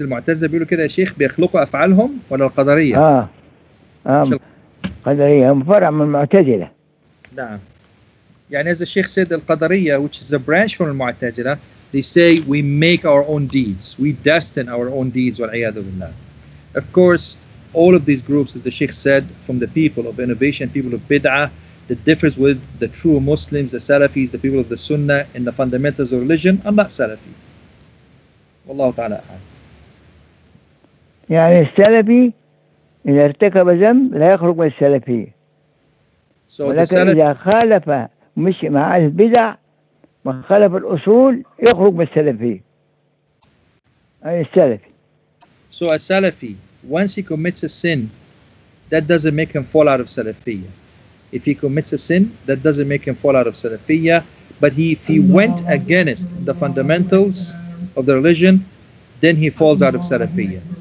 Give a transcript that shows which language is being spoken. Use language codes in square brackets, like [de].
[ar] المعتزلة بيقولوا كده يا شيخ بيخلقوا أفعالهم ولا القدرية. قدرية هم فرع من المعتزلة. نعم. [en] يعني as the Sheikh said, القدرية, which is a branch from المعتزلة, they say we make our own deeds, we destine our own deeds. [ar] والعياد بالله. [en] Of course, all of these groups, as the Sheikh said, from the people of innovation, people of bid'ah, that differs with the true Muslims, the Salafis, the people of the Sunnah, and the fundamentals of religion, are not Salafi. [ar] Wallahu ta'ala a'lam. يعني السلفي إذا ارتكب ذنب لا يخرج من السلفية. So ولكن إذا خالف مش مع البدع وخالف الأصول يخرج من السلفية. يعني السلفي. [en] So a Salafi, once he commits a sin, that doesn't make him fall out of Salafiyya. If he commits a sin, that doesn't make him fall out of Salafiyya. But if he went against the fundamentals of the religion, then he falls out of Salafiyya.